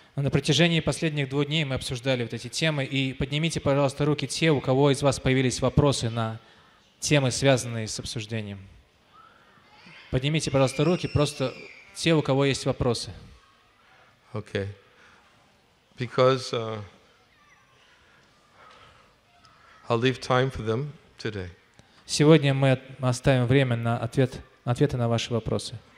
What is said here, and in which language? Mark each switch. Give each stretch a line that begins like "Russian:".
Russian: На протяжении последних двух дней мы обсуждали вот эти темы, и поднимите, пожалуйста, руки те, у кого из вас появились вопросы на темы, связанные с обсуждением. Поднимите, пожалуйста, руки, просто те, у кого есть вопросы.
English: Okay. Because I'll leave time for them.
Russian: Сегодня мы оставим время на ответы на ваши вопросы.